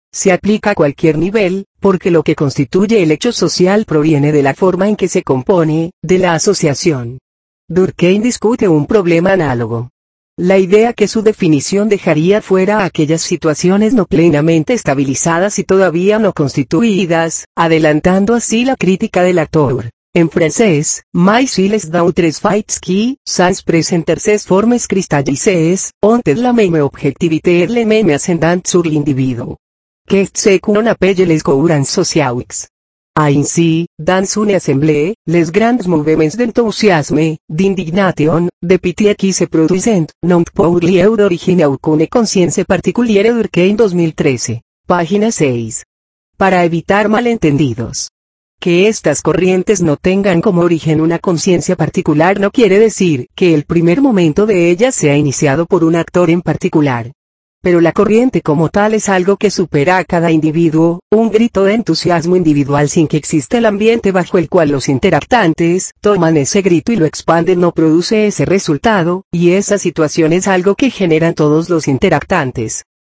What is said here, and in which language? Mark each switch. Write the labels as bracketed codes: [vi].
[es] Se aplica a cualquier nivel, porque lo que constituye el hecho social proviene de la forma en que se compone, de la asociación. Durkheim discute un problema análogo. La idea que su definición dejaría fuera aquellas situaciones no plenamente estabilizadas y todavía no constituidas, adelantando así la crítica del actor. En francés, [fr] mais si les d'autres faits qui, sans presenter ses formes cristallisées, ont la même objectivité et le même ascendant sur l'individu. Qu'est ce qu'on appelle les courants sociaux? Ainsi, dans une assemblée, les grands mouvements d'enthousiasme, d'indignation, de pitié qui se produisent, n'ont pour lieu d'origine aucune conscience particulière Durkheim 2013. [es] Página 6. Para evitar malentendidos. Que estas corrientes no tengan como origen una conciencia particular no quiere decir que el primer momento de ellas sea iniciado por un actor en particular. Pero la corriente como tal es algo que supera a cada individuo, un grito de entusiasmo individual sin que exista el ambiente bajo el cual los interactantes toman ese grito y lo expanden no produce ese resultado, y esa situación es algo que generan todos los interactantes.